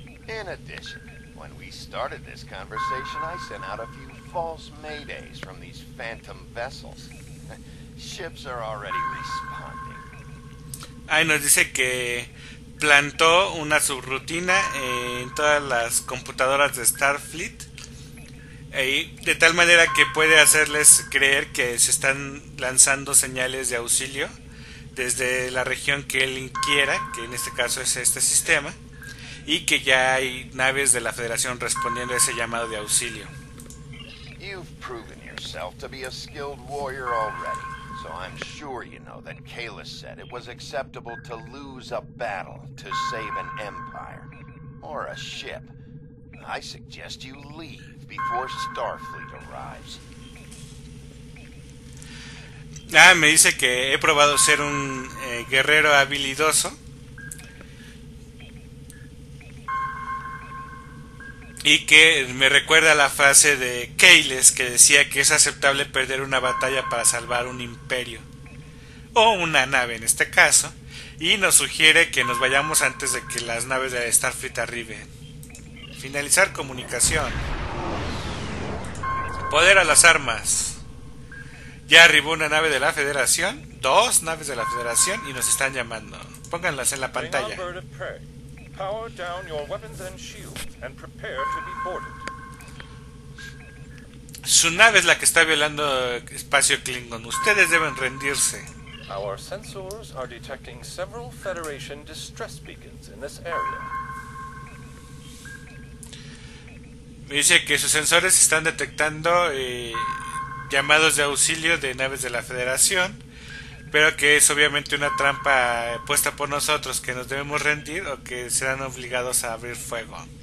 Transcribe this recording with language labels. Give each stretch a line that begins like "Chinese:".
English: In addition, when we started this conversation, I sent out a few false maydays from these phantom vessels. Ships are already responding.
Spanish: Ahí nos dice que plantó una subrutina en todas las computadoras de Starfleet, de tal manera que puede hacerles creer que se están lanzando señales de auxilio desde la región que él quiera, que en este caso es este sistema, y que ya hay naves de la Federación respondiendo a ese llamado de auxilio.
English: You've proven yourself to be a skilled warrior already, so I'm sure you know that Kalis said it was acceptable to lose a battle to save an empire or a ship. I suggest you leave before Starfleet arrives.
Spanish: Ah, me dice que he probado ser un guerrero habilidoso. Y que me recuerda a la frase de Keyles que decía que es aceptable perder una batalla para salvar un imperio. O una nave en este caso. Y nos sugiere que nos vayamos antes de que las naves de Starfleet arriben. Finalizar comunicación. Poder a las armas. Ya arribó una nave de la Federación. Dos naves de la Federación. Y nos están llamando. Pónganlas en la pantalla.
English: Power down your weapons and shields and prepare to be boarded.
Spanish: Su nave es la que está violando espacio Klingon. Ustedes deben rendirse.
English: Our sensors are detecting several Federation distress beacons in this area.
Spanish: Me dice que sus sensores están detectando llamados de auxilio de naves de la Federación. Pero que es obviamente una trampa puesta por nosotros, que nos debemos rendir o que serán obligados a abrir fuego.